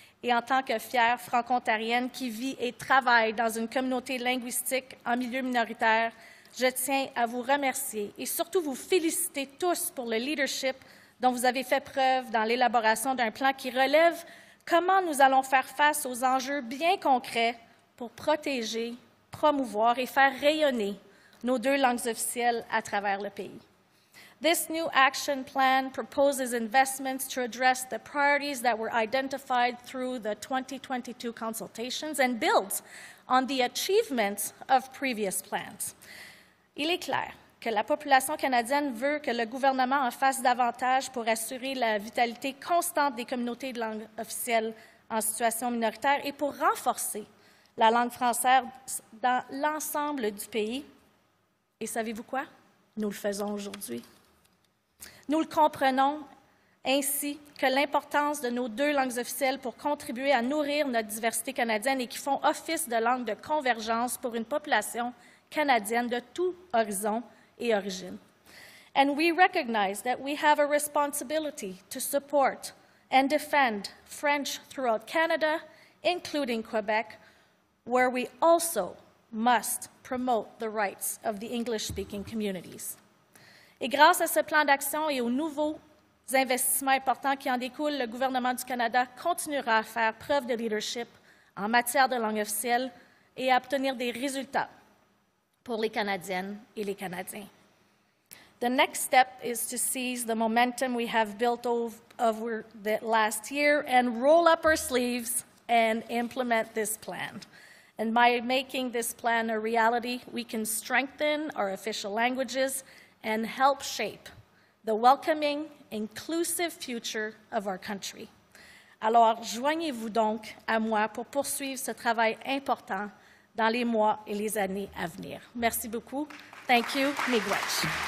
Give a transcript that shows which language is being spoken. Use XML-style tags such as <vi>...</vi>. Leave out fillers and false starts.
<fr>Et en tant que fière franco-ontarienne qui vit et travaille dans une communauté linguistique en milieu minoritaire, je tiens à vous remercier et surtout vous féliciter tous pour le leadership dont vous avez fait preuve dans l'élaboration d'un plan qui relève comment nous allons faire face aux enjeux bien concrets pour protéger, promouvoir et faire rayonner nos deux langues officielles à travers le pays.</fr> <en>This new action plan proposes investments to address the priorities that were identified through the 2022 consultations and builds on the achievements of previous plans.</en> <fr>Il est clair que la population canadienne veut que le gouvernement en fasse davantage pour assurer la vitalité constante des communautés de langue officielle en situation minoritaire et pour renforcer la langue française dans l'ensemble du pays. Et savez-vous quoi? Nous le faisons aujourd'hui. Nous le comprenons ainsi que l'importance de nos deux langues officielles pour contribuer à nourrir notre diversité canadienne et qui font office de langue de convergence pour une population canadienne de tout horizon et origine.</fr> <en>And we recognize that we have a responsibility to support and defend French throughout Canada, including Quebec, where we also must promote the rights of the English-speaking communities.</en> <fr>Et grâce à ce plan d'action et aux nouveaux investissements importants qui en découlent, le gouvernement du Canada continuera à faire preuve de leadership en matière de langue officielle et à obtenir des résultats pour les Canadiennes et les Canadiens.</fr> <en>The next step is to seize the momentum we have built over the last year and roll up our sleeves and implement this plan. And by making this plan a reality, we can strengthen our official languages and help shape the welcoming, inclusive future of our country.</en> <fr>Alors, joignez-vous donc à moi pour poursuivre ce travail important dans les mois et les années à venir. Merci beaucoup.</fr> <en>Thank you.</en> <oj>Miigwech.</oj>